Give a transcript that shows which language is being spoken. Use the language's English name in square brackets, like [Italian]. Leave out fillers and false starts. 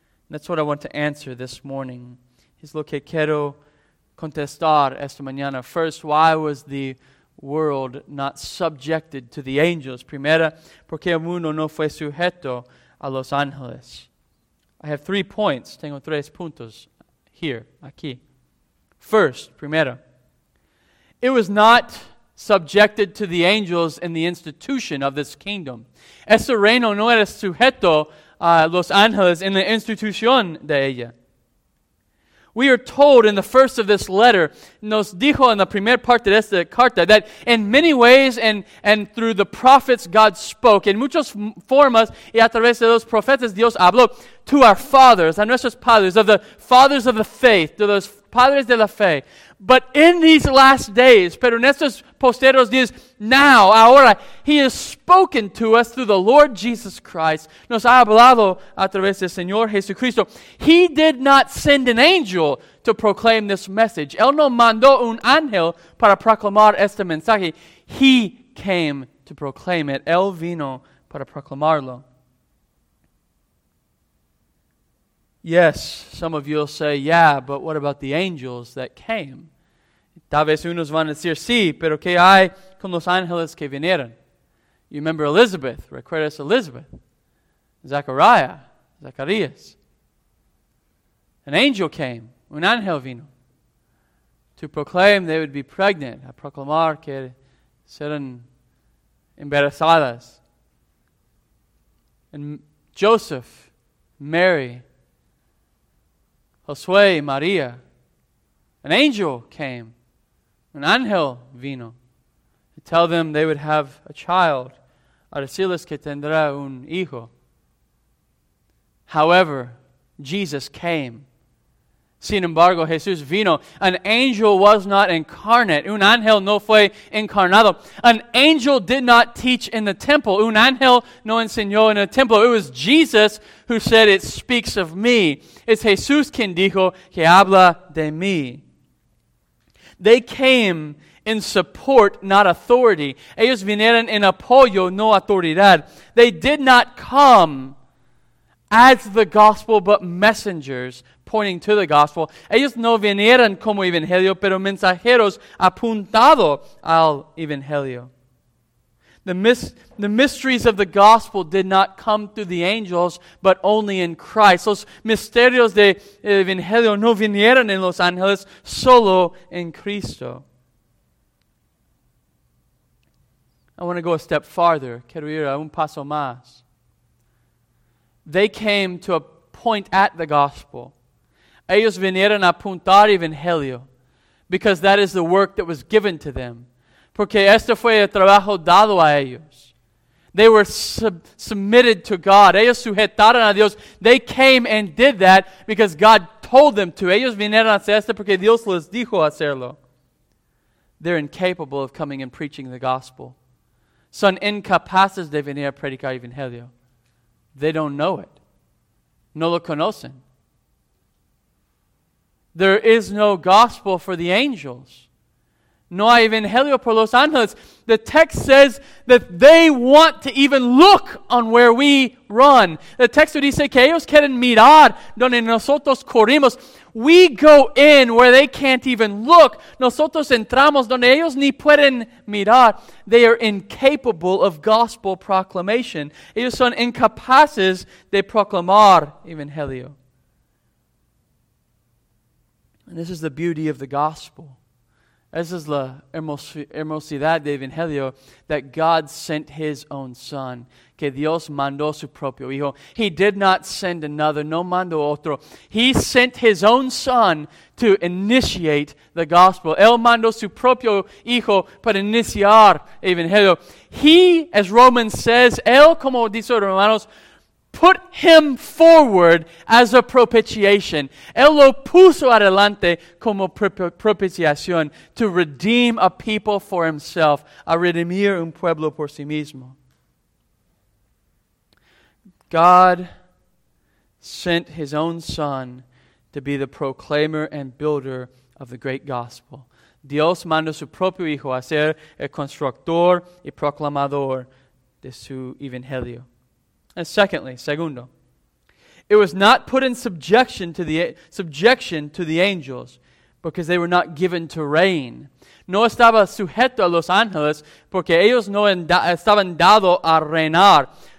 [English] That's what I want to answer this morning. [Spanish] Es lo que quiero contestar esta mañana. [English] First, why was the world not subjected to the angels? [Spanish] Primera, ¿por qué el mundo no fue sujeto a los ángeles? [English] I have 3 points. [Spanish] Tengo 3 puntos [English] here, [Spanish] aquí. [English] First, [Spanish] primera, [English] it was not subjected to the angels in the institution of this kingdom. [Spanish] Ese reino no era sujeto a los ángeles en la institución de ella. [English] We are told in the first of this letter, [Spanish] nos dijo en la primera parte de esta carta, [English] that in many ways and through the prophets God spoke, [Spanish] en muchas formas y a través de los profetas Dios habló, [English] to our fathers, [Spanish] a nuestros padres, [English] of the fathers of the faith, to [Spanish] los padres de la fe. [English] But in these last days, [Spanish] pero en estos posteros días, [English] now, [Spanish] ahora, [English] he has spoken to us through the Lord Jesus Christ. [Spanish] Nos ha hablado a través del Señor Jesucristo. [English] He did not send an angel to proclaim this message. [Spanish] Él no mandó un ángel para proclamar este mensaje. [English] He came to proclaim it. [Spanish] Él vino para proclamarlo. [English] Yes, some of you will say, yeah, but what about the angels that came? [Spanish] Tal vez unos van a decir, sí, pero ¿qué hay con los ángeles que vinieron? [English] You remember Elizabeth, [Spanish] recuerdas [English] Elizabeth? Zachariah, Zacharias. An angel came, [Spanish] un ángel vino, [English] to proclaim they would be pregnant, [Spanish] a proclamar que serán embarazadas. [English] And Joseph, Mary, [Spanish] Josué, María, [English] an angel came, [Spanish] an ángel vino, [English] to tell them they would have a child, [Spanish] a decirles que tendrá un hijo. [English] However, Jesus came. [Spanish] Sin embargo, Jesús vino. [English] An angel was not incarnate. [Spanish] Un ángel no fue encarnado. [English] An angel did not teach in the temple. [Spanish] Un ángel no enseñó en el templo. [English] It was Jesus who said, it speaks of me. [Spanish] Es Jesús quien dijo que habla de mí. [English] They came in support, not authority. [Spanish] Ellos vinieron en apoyo, no autoridad. [English] They did not come as the gospel, but messengers, pointing to the gospel. [Spanish] Ellos no vinieron como evangelio, pero mensajeros apuntado al evangelio. [English] The mysteries of the gospel did not come through the angels, but only in Christ. [Spanish] Los misterios de evangelio no vinieron en los ángeles, solo en Cristo. [English] I want to go a step farther. [Spanish] Quiero ir a un paso más. [English] They came to a point at the gospel. [Spanish] Ellos vinieron a apuntar evangelio, [English] because that is the work that was given to them. [Spanish] Porque este fue el trabajo dado a ellos. [English] They were submitted to God. [Spanish] Ellos sujetaron a Dios. [English] They came and did that because God told them to. [Spanish] Ellos vinieron a hacer esto porque Dios les dijo hacerlo. [English] They're incapable of coming and preaching the gospel. [Spanish] Son incapaces de venir a predicar evangelio. [English] They don't know it. [Spanish] No lo conocen. [English] There is no gospel for the angels. [Spanish] No hay evangelio por los ángeles. [English] The text says that they want to even look on where we run. The text [Spanish] dice que ellos quieren mirar donde nosotros corrimos. [English] We go in where they can't even look. [Spanish] Nosotros entramos donde ellos ni pueden mirar. [English] They are incapable of gospel proclamation. [Spanish] Ellos son incapaces de proclamar evangelio. [English] And this is the beauty of the gospel. [Spanish] Esa es la hermosidad del Evangelio, [English] that God sent his own son, [Spanish] que Dios mandó su propio hijo. [English] He did not send another, [Spanish] no mandó otro. [English] He sent his own son to initiate the gospel. [Spanish] Él mandó su propio hijo para iniciar el Evangelio. [English] He, as Romans says, [Spanish] él, como dice Romanos, [English] put him forward as a propitiation. [Spanish] Él lo puso adelante como propiciación [English] to redeem a people for himself, [Spanish] a redimir un pueblo por sí mismo. [English] God sent his own son to be the proclaimer and builder of the great gospel. [Spanish] Dios mandó su propio hijo a ser el constructor y proclamador de su evangelio. [English] And [Spanish] segundo, [English] it was not put in subjection to the angels because they were not given to reign. [Spanish] No estaba sujeto a los ángeles porque ellos no estaban dado a reinar.